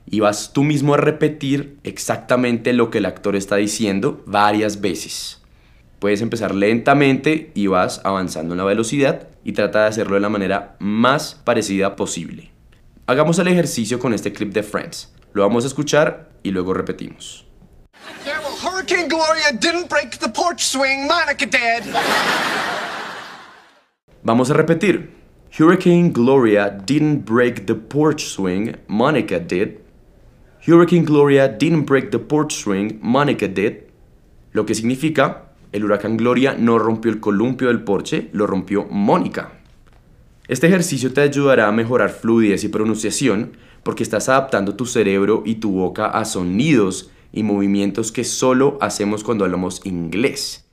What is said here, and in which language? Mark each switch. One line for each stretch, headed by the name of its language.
Spanish: y vas tú mismo a repetir exactamente lo que el actor está diciendo varias veces. Puedes empezar lentamente y vas avanzando en la velocidad y trata de hacerlo de la manera más parecida posible. Hagamos el ejercicio con este clip de Friends. Lo vamos a escuchar y luego repetimos.
English: Yeah, well, Hurricane Gloria didn't break the porch swing, Monica did.
Spanish: Vamos a repetir.
English: Hurricane Gloria didn't break the porch swing, Monica did. Hurricane Gloria didn't break the porch swing, Monica did.
Spanish: Lo que significa, el huracán Gloria no rompió el columpio del porche, lo rompió Mónica. Este ejercicio te ayudará a mejorar fluidez y pronunciación porque estás adaptando tu cerebro y tu boca a sonidos y movimientos que solo hacemos cuando hablamos inglés.